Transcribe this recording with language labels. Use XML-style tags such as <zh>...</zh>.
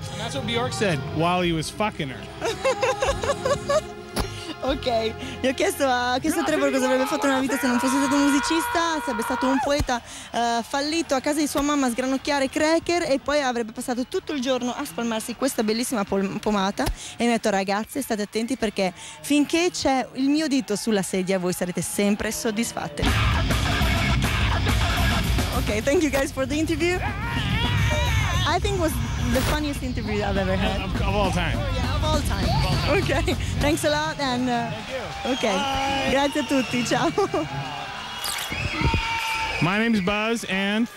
<en>And that's what Bjork said while he was fucking her. Okay.</en> <it>Gli ho chiesto a Trevor cosa avrebbe fatto nella vita se non fosse stato un musicista, sarebbe stato un poeta fallito a casa di sua mamma a sgranocchiare cracker e poi avrebbe passato tutto il giorno a spalmarsi questa bellissima pomata. E mi ha detto, ragazze, state attenti perché finché c'è il mio dito sulla sedia voi sarete sempre soddisfatte.</it> <en>Okay, thank you guys for the interview. I think it was the funniest interview I've ever had. Of all time. Oh, yeah, of all time. Okay, thanks a lot. And thank you. Okay, bye.</en> <it>Grazie a tutti, ciao.</it> <en>My name is Buzz and</en>